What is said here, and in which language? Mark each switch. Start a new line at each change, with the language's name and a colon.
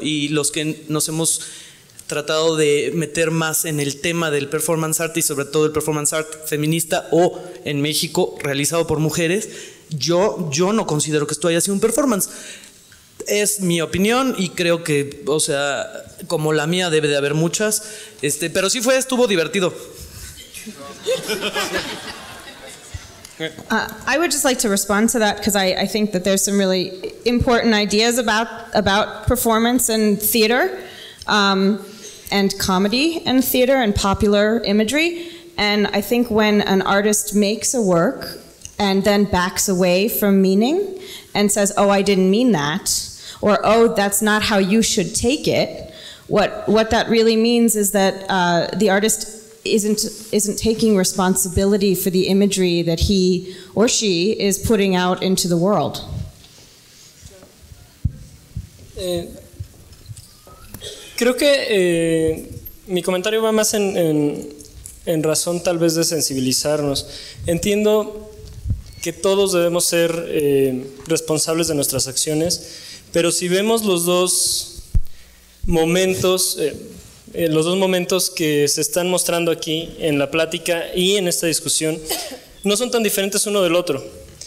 Spanish: Y los que nos hemos tratado de meter más en el tema del performance art y sobre todo el performance art feminista o en México realizado por mujeres, yo no considero que esto haya sido un performance. Es mi opinión y creo que, o sea, como la mía debe de haber muchas, pero sí fue, estuvo divertido.
English: I would just like to respond to that because I think that there's some really important ideas about performance and theater, and comedy and theater and popular imagery. And I think when an artist makes a work and then backs away from meaning and says, oh, I didn't mean that, or oh, that's not how you should take it, what that really means is that the artist isn't taking responsibility for the imagery that he or she is putting out into the world.
Spanish: Creo que mi comentario va más en razón tal vez de sensibilizarnos. Entiendo que todos debemos ser responsables de nuestras acciones, pero si vemos los dos momentos que se están mostrando aquí en la plática y en esta discusión no son tan diferentes uno del otro.